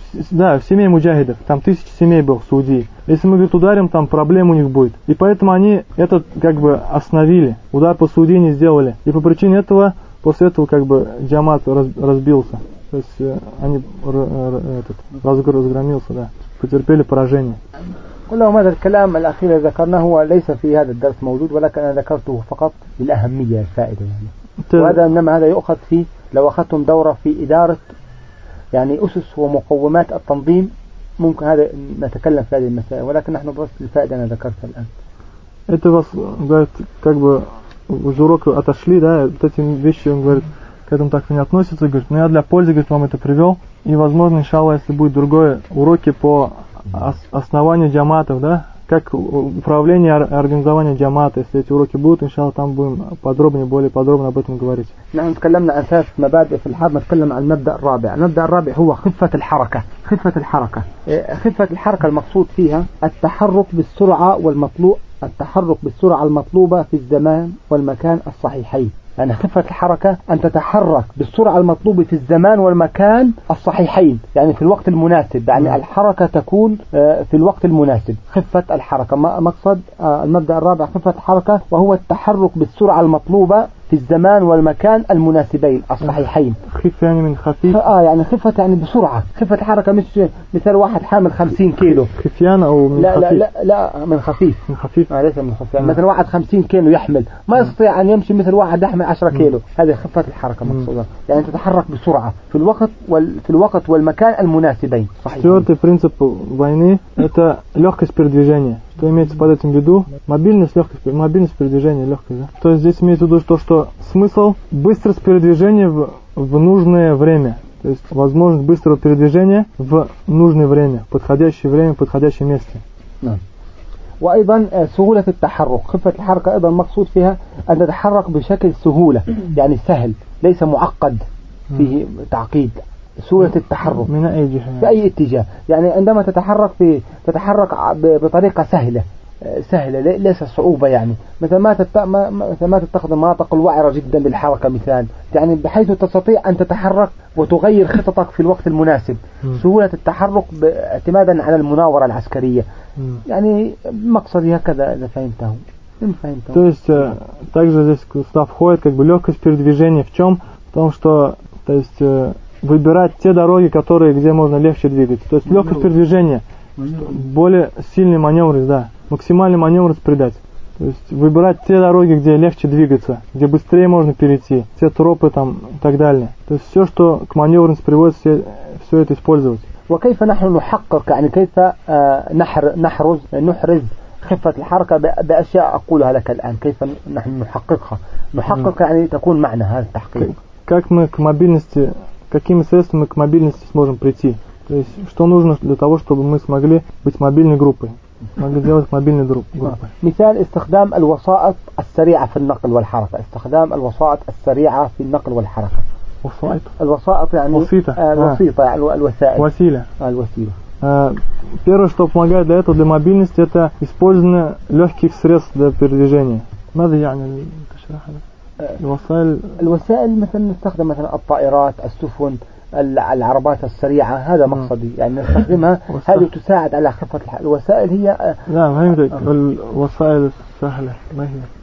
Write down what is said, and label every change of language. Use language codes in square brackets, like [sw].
[ru] Да, в семье муджахидов, там 1000 семей было в Саудии. Если мы, говорит, ударим, там проблем у них будет. И поэтому они этот как бы остановили, удар по Саудии не сделали. И по причине этого, после этого как бы джамат разбился. То есть они этот разгромился, да, потерпели поражение. [ar] كلهم هذا الكلام الأخير ذكرناه هو ليس في هذا الدرس موجود، ولكن أنا ذكرته فقط للأهمية الفائدة يعني. وهذا إنما هذا يؤخذ في لو أخذتم دورة في إدارة يعني أسس ومقومات التنظيم، ممكن هذا نتكلم في هذه المسائل، ولكن نحن بس الفائدة أنا ذكرتها الآن. [ru] это вас говорит как бы уже урок отошли да вот эти вещи он говорит к этому так не относится говорит но я для пользы говорит вам это привел и возможно иншаллах если будет другое уроки по основанию джаматов да как управление организование джамата если эти уроки будут иншаллах там будем подробнее более подробно об этом говорить [ar] نحن تكلمنا أساس مبادئ في الحرب نتكلم عن المبدأ الرابع المبدأ الرابع هو خفة الحركة خفة الحركة خفة الحركة المقصود فيها التحرك بالسرعة والمطلوب التحرك بالسرعة المطلوبة في الزمان والمكان الصحيحين يعني خفة الحركة أن تتحرك بالسرعة المطلوبة في الزمان والمكان الصحيحين يعني في الوقت المناسب يعني الحركة تكون في الوقت المناسب خفة الحركة ما مقصد المبدأ الرابع خفة الحركة وهو التحرك بالسرعة المطلوبة في الزمان والمكان المناسبين الصحيحين خفة يعني من خفيف يعني خفة يعني بسرعة خفة الحركة مش مثل واحد حامل 50 كيلو خفيان أو من لا خفيف لا لا لا من خفيف من خفيف ليس من خفيف يعني مثل واحد 50 كيلو يحمل ما يستطيع أن يمشي مثل واحد يحمل 10 كيلو هذه خفة الحركة مقصودة يعني تتحرك بسرعة في الوقت في الوقت والمكان المناسبين صحيح. [ru] Четвертый принцип войны это легкость передвижения. Что имеется под этим в виду? Мобильность, легкость, мобильность передвижения, легкость, да? То есть здесь имеется в виду то, что смысл быстрость передвижения в нужное время. То есть возможность быстрого передвижения в нужное время, подходящее время, подходящее место. [ar] وايضا سهوله التحرك خفه الحركه ايضا مقصود فيها ان تتحرك بشكل سهوله يعني سهل ليس معقد فيه تعقيد سهوله التحرك من اي جهه باي اتجاه يعني عندما تتحرك في تتحرك بطريقه سهله سهله ليس صعوبه يعني مثل ما تتخذ مناطق الوعره جدا للحركه مثال يعني بحيث تستطيع ان تتحرك وتغير خططك في الوقت المناسب سهوله التحرك اعتمادا على المناوره العسكريه يعني مقصدي هكذا اذا فهمته [ru] то есть также здесь сюда входит как бы легкость передвижения в чем в том что то есть выбирать те дороги которые где можно легче двигаться то есть легкость передвижения более сильный маневр да максимальный маневр придать то есть выбирать те дороги где легче двигаться где быстрее можно перейти те тропы там и так далее то есть все что к маневренности приводит все это использовать [ar] وكيف نحن نحقق يعني كيف نحرز خفة الحركة بأشياء أقولها لك الآن كيف نحن نحققها نحقق يعني تكون معنى هذا التحقيق [ru] как мы к мобильности какими средствами к мобильности сможем прийти то есть что нужно для того чтобы мы смогли быть мобильной группой могли сделать мобильной группой [ar] مثال استخدام الوسائط السريعة في النقل والحركة استخدام الوسائط السريعة في النقل والحركة الوسائط يعني وسيطة وسيطة يعني الوسائل وسيلة الوسيلة [ru] первое что помогает для этого для мобильности это использование легких средств для передвижения [ar] ماذا يعني تشرح الوسائل الوسائل مثلا نستخدم مثلا الطائرات السفن العربات السريعة هذا مقصدي يعني نستخدمها هذه تساعد على خفة الوسائل هي لا مهمتك الوسائل السهلة ما هي